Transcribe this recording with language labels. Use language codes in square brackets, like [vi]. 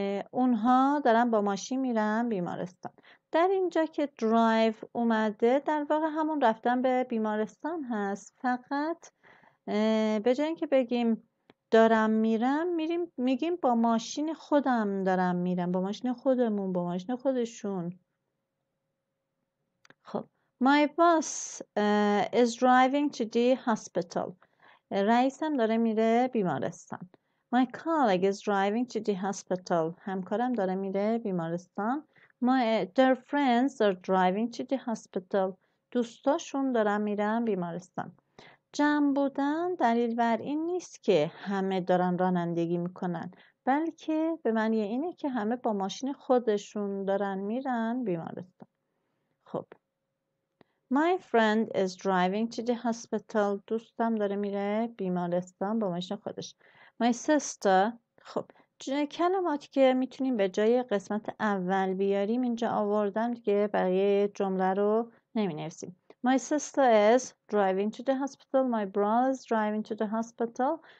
[fa] اونها دارن با ماشین میرن بیمارستان. در اینجا که drive اومده، در واقع همون رفتن به بیمارستان هست، فقط به جای اینکه بگیم دارم میرم، میریم میگیم با ماشین خودم دارم میرم، با ماشین خودمون، با ماشین خودشون. [en] خب My boss is driving to the hospital. [fa] رئیسم داره میره بیمارستان. [en] My colleague is driving to the hospital. [fa] همکارم داره میره بیمارستان. [en] Their friends are driving to the hospital. [fa] دوستاشون دارن میرن بیمارستان. جمع بودن دلیل بر این نیست که همه دارن رانندگی میکنن، بلکه به معنی اینه که همه با ماشین خودشون دارن میرن بیمارستان. [en] خب My friend is driving to the hospital. [fa] دوستم داره میره بیمارستان با ماشین خودش. [en] My sister. [fa] خب کلماتی که میتونیم به جای قسمت اول بیاریم، اینجا آوردم دیگه، بقیه جمله رو نمی‌نویسیم. [en] My sister is driving to the hospital. My brother is driving to the hospital.